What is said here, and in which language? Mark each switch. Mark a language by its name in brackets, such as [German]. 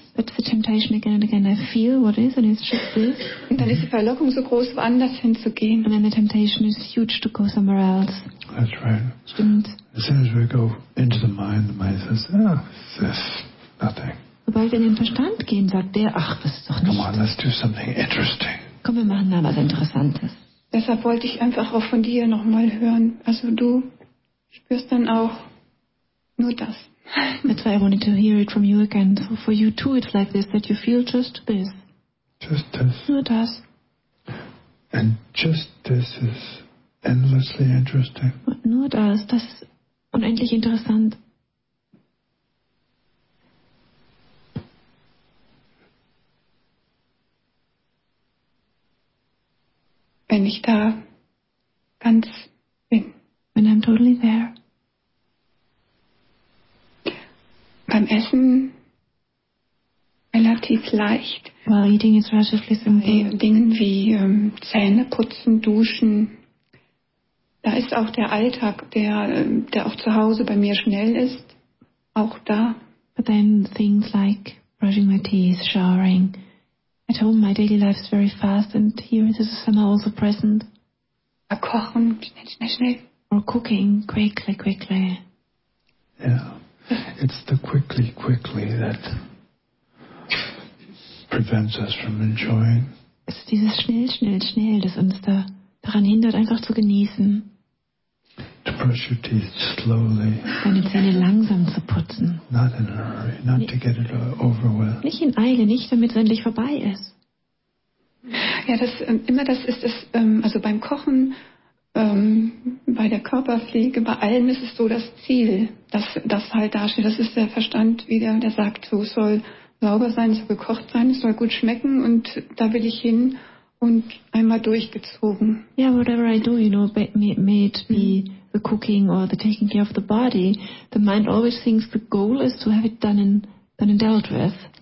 [English] That's the temptation again and again. I feel what is and it's just this. [German] Und dann ist die Verlockung so groß, woanders hinzugehen. [English] And then the temptation is huge to go somewhere else. That's right. [German] Stimmt. [English] As soon as we go into the mind says, oh, this, nothing. [German] Sobald wir in den Verstand gehen, sagt der, ach, das ist doch nichts. [English] Come on, let's do something interesting. [German] Komm, wir machen da was Interessantes. Deshalb wollte ich einfach auch von dir nochmal hören. Also du spürst dann auch nur das. [English] That's why I wanted to hear it from you again. So for you too, it's like this, that you feel just this. Just this. [German] Nur das. [English] And just this is Endlessly interesting. [German] Nur das, das ist unendlich interessant. Wenn ich da ganz bin. [English] When I'm totally there. [German] Beim Essen relativ leicht. [English] While eating is relatively simple. [German] Dingen wie Zähne putzen, duschen. Da ist auch der Alltag, der auch zu Hause bei mir schnell ist, auch da. [English] But then things like brushing my teeth, showering. At home my daily life is very fast and here this is somehow also present. [German] Da kochen, schnell, schnell, schnell. [English] Or cooking, quickly, quickly. Yeah. It's the quickly, quickly that prevents us from enjoying. [German] Es ist dieses schnell, schnell, schnell, das uns da daran hindert, einfach zu genießen. [English] To brush your teeth slowly. [German] Deine Zähne langsam zu putzen. [English] Not in a hurry, not to get it over with. [German] Nicht in Eile, nicht damit es endlich vorbei ist. Ja, das immer das ist es, also beim Kochen, bei der Körperpflege, bei allem ist es so das Ziel, dass das halt dasteht. Das ist der Verstand wieder, der sagt, so soll sauber sein, soll gekocht sein, es soll gut schmecken und da will ich hin und einmal durchgezogen. [English] Yeah, whatever I do, you know, may it be the cooking or the taking care of the body, the mind always thinks the goal is to have it done and dealt with.